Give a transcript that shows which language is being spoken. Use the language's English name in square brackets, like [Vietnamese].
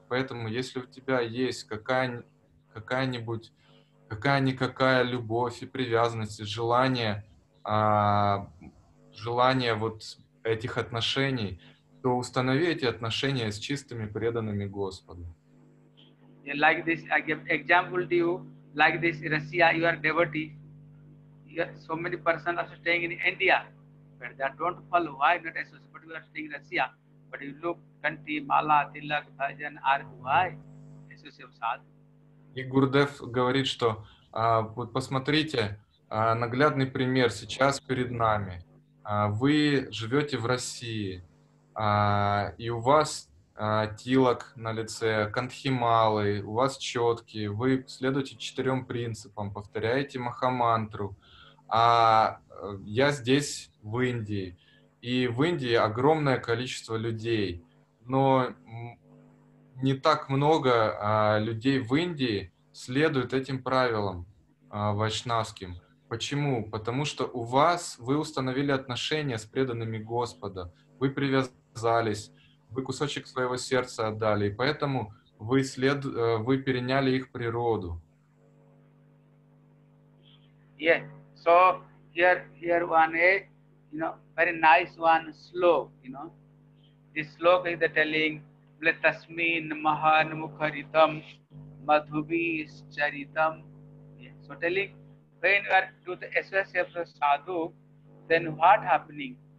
[Russian] Поэтому если у тебя есть какая-никакая любовь и привязанность, желание вот этих отношений, то установи эти отношения с чистыми преданными Господу. [English] Like this, I give example to you, like this, Russia, you are devotee, so many persons are staying in India, but they don't follow, why not associate, but you are staying in Russia, but you look, Kanti, Mala, Tilak, Bhajan, Arti, why associate with sadhu? [Russian] И Гурдев говорит, что вот посмотрите, наглядный пример сейчас перед нами. Вы живете в России, и у вас тилок на лице, кантхималы, у вас четкие, вы следуете четырем принципам, повторяете махамантру. А я здесь, в Индии, и в Индии огромное количество людей, но не так много людей в Индии следуют этим правилам вайшнавским. Почему? Потому что у вас, вы установили отношения с преданными Господа, вы привязались, вы кусочек своего сердца отдали, и поэтому вы переняли их природу. [English] Yeah, so here one is, very nice one, slow, This slow is the telling, [Sanskrit] Vlatasmin mahan mukharitam madhubis charitam. [English] Yeah, so telling, when you are to the SSF sadhu, then what happening?